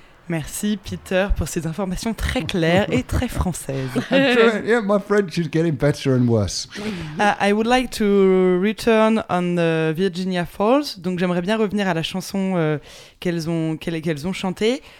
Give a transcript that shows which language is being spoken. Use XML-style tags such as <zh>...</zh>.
<fr>Merci, Peter, pour ces informations très claires et très françaises.</fr> <en>Yeah, my French is getting better and worse. I would like to return on Virginia Falls.</en> <fr>Donc, j'aimerais bien revenir à la chanson qu'elles ont chantée.</fr>